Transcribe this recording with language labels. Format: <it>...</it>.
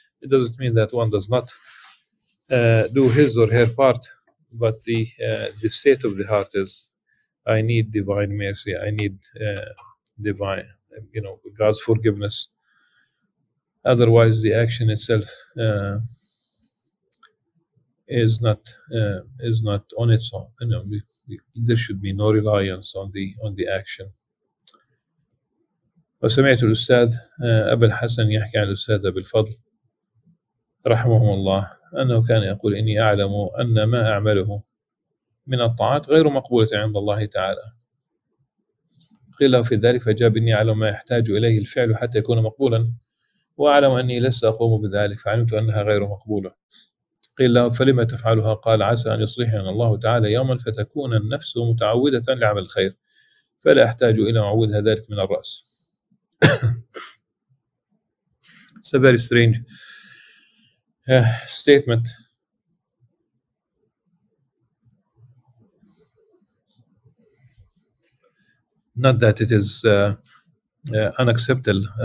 <en>It doesn't mean that one does not do his or her part, but the state of the heart is, I need divine mercy, I need divine, you know, God's forgiveness. Otherwise, the action itself is not on its own. You know, there should be no reliance on the action.</en> <ar>وسمعت الأستاذ أبا الحسن يحكي عن الأستاذ أبا الفضل رحمه الله أنه كان يقول إني أعلم أن ما أعمله من الطاعات غير مقبولة عند الله تعالى. قيل له في ذلك فأجاب إني أعلم ما يحتاج إليه الفعل حتى يكون مقبولا وأعلم أني لست أقوم بذلك فعلمت أنها غير مقبولة. قيل له فلما تفعلها؟ قال عسى أن يصلحنا الله تعالى يوما فتكون النفس متعودة لعمل الخير فلا أحتاج إلى معودها ذلك من الرأس.</ar> <en>It's a very strange statement. Not that it is unacceptable.</en>